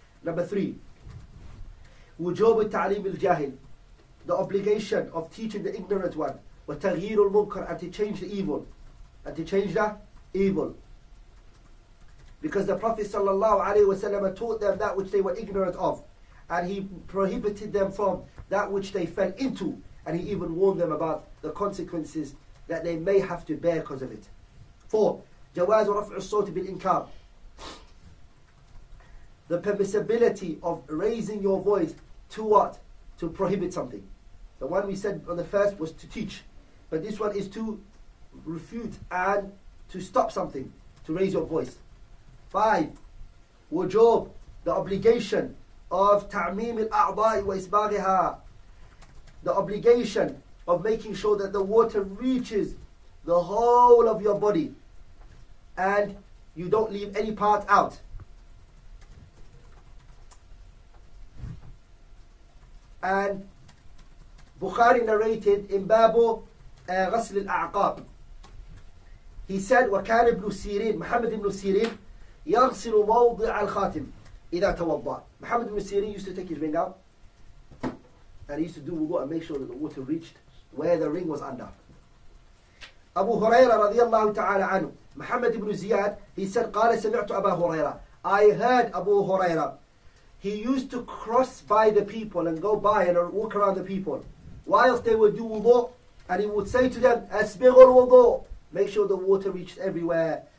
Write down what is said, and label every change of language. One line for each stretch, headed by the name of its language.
English: Number three,
Arabic: وُجُوبُ التَّعْلِيمِ الْجَاهِلِ
English: the obligation of teaching the ignorant one,
Arabic: وَتَغْيِيرُ الْمُنْكَرِ
English: and to change the evil, and to change the evil. Because the Prophet ﷺ taught them that which they were ignorant of. And he prohibited them from that which they fell into. And he even warned them about the consequences that they may have to bear because of it. 4.
Arabic: جواز رفع الصوت بالإنكار.
English: The permissibility of raising your voice to what? To prohibit something. The one we said on the first was to teach. But this one is to refute and to stop something, to raise your voice. 5. Wujub, the obligation of ta'mim al-a'dai wa isbaghiha, the obligation of making sure that the water reaches the whole of your body and you don't leave any part out. And Bukhari narrated in Babu Ghasl al-A'qab. He said,
Arabic: وكان ابن سيرين, Muhammad ibn Sirin, يغسل موضع الخاتم إذا توضع.
English: Muhammad ibn Sirin used to take his ring out and he used to do wudu and make sure that the water reached where the ring was under. Abu Huraira رضي الله تعالى عنه, Muhammad ibn Ziyad, he said,
Arabic: قال سمعت أبا هريرة,
English: I heard Abu Huraira, he used to cross by the people and go by and walk around the people whilst they would do wudu and he would say to them,
Arabic: أسبغوا الوضوء,
English: make sure the water reached everywhere.